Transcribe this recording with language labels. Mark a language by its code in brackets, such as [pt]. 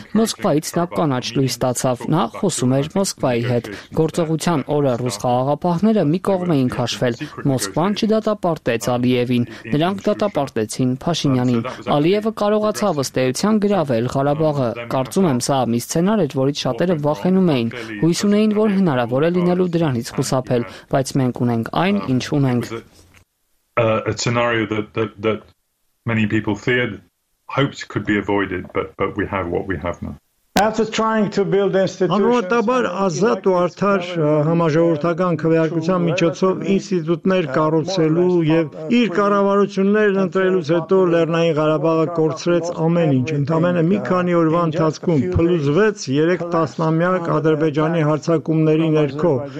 [hy] Մոսկվայից նա կանաչ լույս ստացավ։ Նա խոսում էր Մոսկվայի հետ։ Գործողության օրը ռուս խաղաղապահները մի կողմ էին քաշվել։ Մոսկվան չդատապարտեց Ալիևին, նրանք դատապարտեցին Փաշինյանին։ Ալիևը կարողացավ ըստ էության գրավել Ղարաբաղը։ Կարծում եմ, սա մի սցենար էր, որից շատերը վախենում էին, հույս ունեին, որ հնարավոր է լինելու դրանից խուսափել, բայց մենք ունենք այն, ինչ ունենք։ [en] A scenario that many people feared, hoped could be avoided, but we have what we have now. After trying to build institutions, [hy] ամեն դաբար ազատ ու արդար համաժողովրդական քվեարկության միջոցով ինստիտուտներ կառուցելու եւ իր կառավարություններն ընտրելուց հետո Լեռնային Ղարաբաղը կորցրեց ամեն ինչ։ Ընդամենը մի քանի օրվա ընթացքում փլուզվեց 3 տասնամյակ ադրբեջանի հարձակումների ներքո,